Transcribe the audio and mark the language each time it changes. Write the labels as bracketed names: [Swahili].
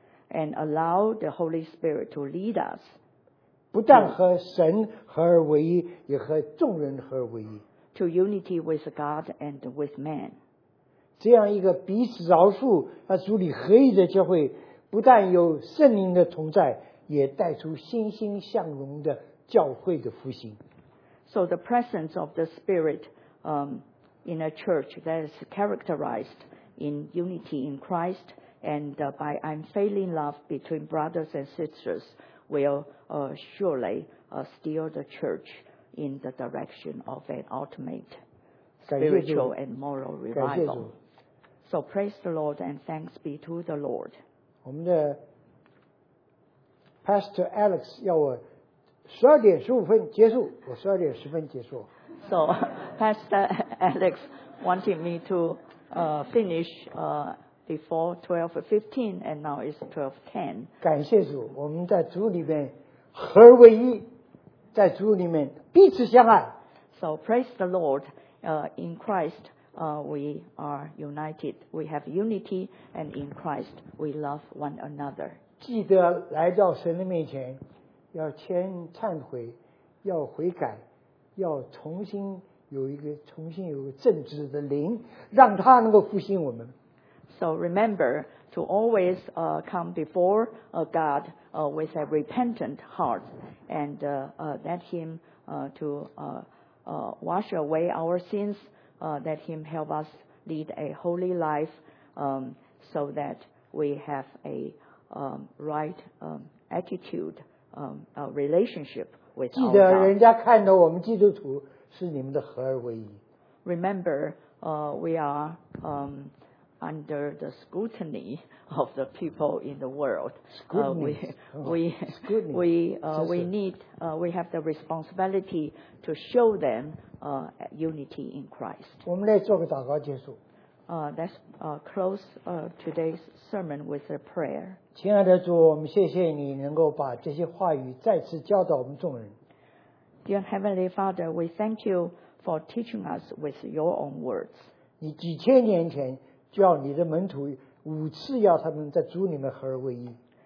[English] And allow the Holy Spirit to lead us. [Chinese] 不但和神合而为一, 也和众人合而为一, [English] to unity with God and with man. [Chinese] 这样一个彼此饶恕, 主里合一的教会, 不但有圣灵的同在, 也带出欣欣向荣的教会的复兴。 [English] So the presence of the Spirit in a church that is characterized in unity in Christ and by unfailing love between brothers and sisters will surely steer the church in the direction of an ultimate spiritual and moral revival. So praise the Lord and thanks be to the Lord. [Chinese] Pastor Alex 要我12点15分结束, 我12点10分结束。 [English] So Pastor Alex wanted me to finish before 12:15, and now it's 12:10. [Chinese] 感谢主, 我们在主里面合为一, 在主里面彼此相爱。 [English] So praise the Lord, in Christ we are united, we have unity, and in Christ we love one another. [Chinese] 记得来到神的面前, 要先忏悔, 要悔改, 要重新有一个重新有个正直的灵，让他能够复兴我们。 [English] So remember to always come before God with a repentant heart and let Him to wash away our sins. Let Him help us lead a holy life so that we have a right attitude, a relationship with our God. [Chinese] 记得人家看到我们基督徒是你们的合而为一。 [English] Remember, we are under the scrutiny of the people in the world. We have the responsibility to show them unity in Christ. [Chinese] 我们来做个祷告结束。 [English] Let's close today's sermon with a prayer. [Chinese] 亲爱的主，我们谢谢你能够把这些话语再次教导我们众人。 [English] Dear Heavenly Father, we thank you for teaching us with your own words. [Chinese] 你几千年前叫你的门徒五次要他们在主里面合而为一。